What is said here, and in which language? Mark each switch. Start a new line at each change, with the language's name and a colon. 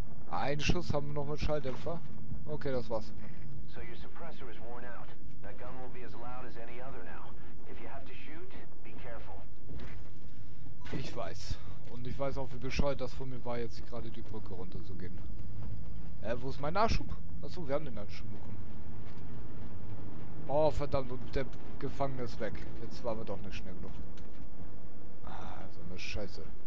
German: Ein Schuss haben wir noch mit Schalldämpfer. Okay, das war's.
English: So your suppressor is worn out. That gun will be as loud as any other now. If you have to shoot, be careful.
German: Ich weiß. Und ich weiß auch, wie bescheuert das von mir war, jetzt gerade die Brücke runter zu gehen. Wo ist mein Nachschub? Achso, wir haben den Nachschub bekommen. Oh, verdammt, und der Gefangene ist weg. Jetzt waren wir doch nicht schnell genug. Ah, so eine Scheiße.